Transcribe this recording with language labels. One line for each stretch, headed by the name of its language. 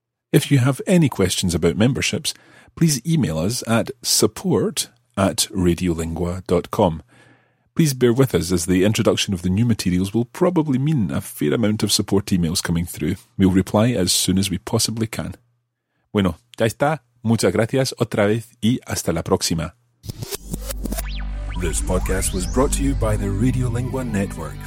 English: If you have any questions about memberships, please email us at support@radiolingua.com. Please bear with us as the introduction of the new materials will probably mean a fair amount of support emails coming through. We'll reply as soon as we possibly can.
Spanish: Bueno, ya está. Muchas gracias otra vez y hasta la próxima.
English: This podcast was brought to you by the Radiolingua Network.